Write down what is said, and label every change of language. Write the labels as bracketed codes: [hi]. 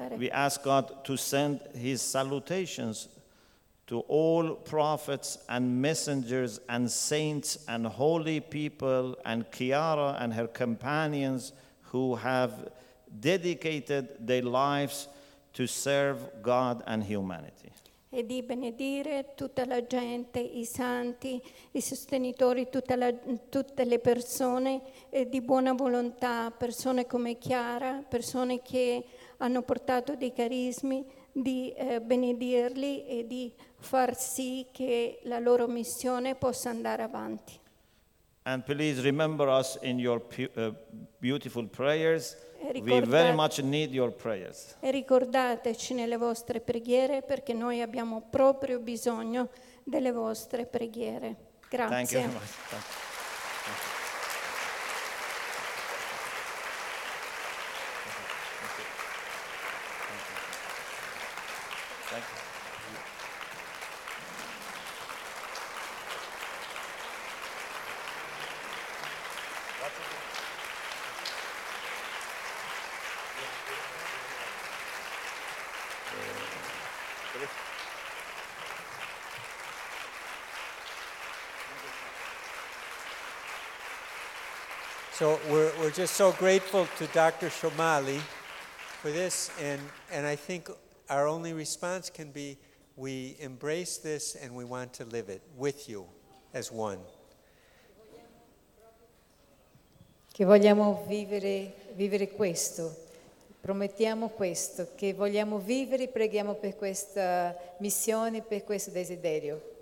[en] And we ask God to send His salutations to all prophets and messengers and saints and holy people and Chiara and her companions who have dedicated their lives to serve God and humanity. [it] E di benedire tutta la gente, i santi, i sostenitori, tutte le persone di buona volontà, persone come Chiara, persone che hanno portato dei carismi, di benedirli e di far sì che la loro missione possa andare avanti. [en] And please remember us in your beautiful prayers. We very much need your prayers. [it] E ricordateci nelle vostre preghiere, perché noi abbiamo proprio bisogno delle vostre preghiere. Grazie. [en] Thank you very much. So we're just so grateful to Dr. Somali for this, and I think our only response can be, we embrace this and we want to live it with you as one. [it] Che vogliamo vivere questo, promettiamo questo, che vogliamo vivere, preghiamo per questa missione, per questo desiderio.